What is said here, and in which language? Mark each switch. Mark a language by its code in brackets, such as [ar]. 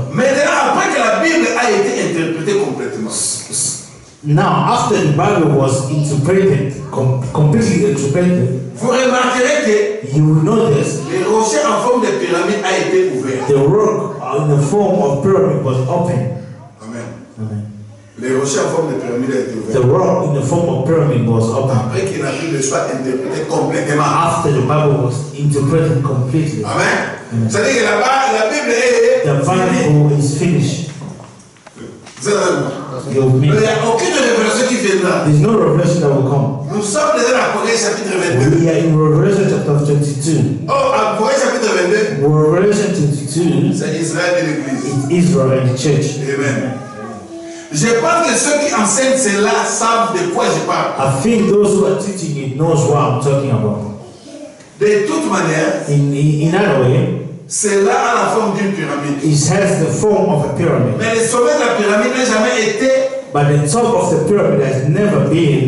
[fr] Maintenant, après que la Bible a été interprétée complètement. [en] Now, after the Bible was interpreted, completely interpreted, [fr] vous remarquerez que [en] you will notice [fr] le rocher en forme de pyramide a été ouvert. [en] The rock in the form of pyramid was open. [fr] Amen. [en] Amen. [fr] Le rocher en forme de pyramide a été ouvert. [en] The rock in the form of pyramid was open. [fr] Après que la Bible soit interprétée complètement. [en] After the Bible was interpreted completely. [fr] Amen. C'est-à-dire que la Bible est. [en] The Bible finished. Is finished. [fr] Il n'y a aucune révélation qui viendra. [en] There's no revelation that will come. [fr] Nous sommes dans Apocalypse chapitre 22. [en] We are in Revelation chapter 22. [fr] Oh, Apocalypse chapitre 22. [en] Revelation 22. [fr] C'est Israël et l'Église. [en] It's Israel and the church. [fr] Amen. Je pense que ceux qui enseignent cela savent de quoi je parle. [en] I think those who are teaching it knows what I'm talking about. [fr] De toute manière. [en] In other way. [fr] C'est là la forme d'une pyramide. [en] It has the form of a pyramid. [fr] Mais le sommet de la pyramide n'a jamais été [en] But the top of the pyramid has never been